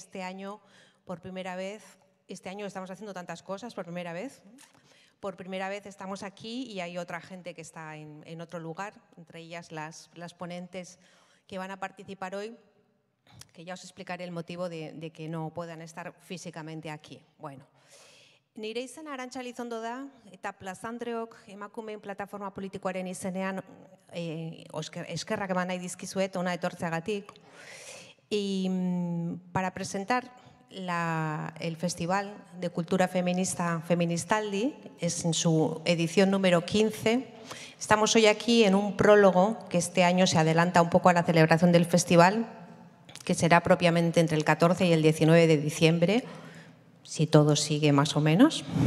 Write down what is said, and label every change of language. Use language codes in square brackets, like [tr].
[es] Este año por primera vez. Este año estamos haciendo tantas cosas por primera vez. Por primera vez estamos aquí y hay otra gente que está en otro lugar, entre ellas las ponentes que van a participar hoy, que ya os explicaré el motivo de que no puedan estar físicamente aquí. [eu] Bueno, nire izena Arantxa Elizondo da, eta plazandreok emakumeen plataforma politikoaren izenean eskerrak eman nahi dizkizuet ona etortzeagatik. [es] Y para presentar el Festival de Cultura Feminista Feministaldi, es en su edición número 15. Estamos hoy aquí en un prólogo que este año se adelanta un poco a la celebración del festival, que será propiamente entre el 14 y el 19 de diciembre, si todo sigue más o menos.